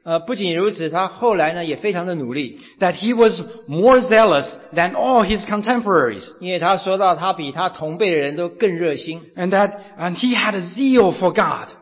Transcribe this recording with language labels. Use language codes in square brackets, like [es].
[zh] 不仅如此，他后来呢也非常的努力。 [en] That he was more zealous than all his contemporaries. [zh] 因为他说到他比他同辈的人都更热心。 [en] And that and he had a zeal for God.